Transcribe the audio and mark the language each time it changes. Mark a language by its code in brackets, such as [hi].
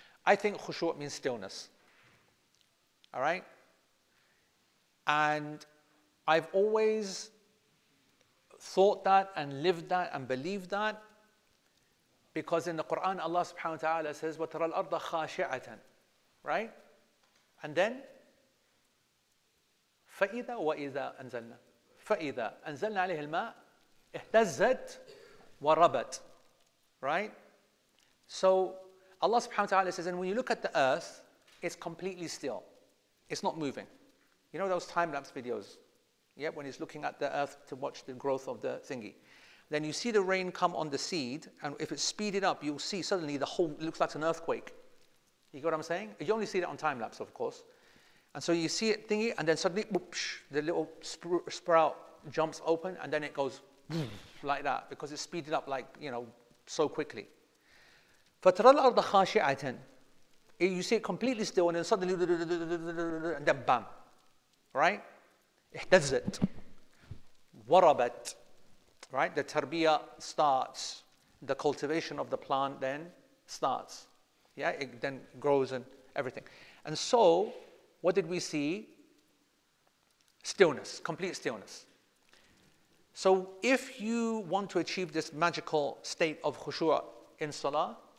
[en] I think khushu means stillness. All right? And I've always thought that and lived that and believed that, because in the Quran, Allah subhanahu wa ta'ala says, [ar] وَتَرَى الْأَرْضَ خَاشِعَةً. [en] Right? And then, [ar] فَإِذَا وَإِذَا أَنزَلْنَا فَإِذَا أَنزَلْنَا عَلَيْهِ الْمَاءِ اهْتَزَّتْ وَرَبَتْ. [en] Right? So Allah subhanahu wa ta'ala says, and when you look at the earth, it's completely still. It's not moving. You know those time-lapse videos? Yeah, when he's looking at the earth to watch the growth of the thingy. Then you see the rain come on the seed, and if it's speeded up, you'll see suddenly the whole, it looks like an earthquake. You get what I'm saying? You only see that on time-lapse, of course. And so you see it thingy, and then suddenly, whoops, the little sprout jumps open, and then it goes like that, because it speeded up so quickly. [ar] فَتَرَى الْأَرْضَ خَاشِعَةً. [en] You see it completely still, and then suddenly, and then bam, right? [ar] اهْتَزَّتْ وَرَبَتْ, right? [en] The tarbiyah starts, the cultivation of the plant then starts. Yeah, it then grows and everything. And so, what did we see? Stillness, complete stillness. So if you want to achieve this magical state of khushu' in salah,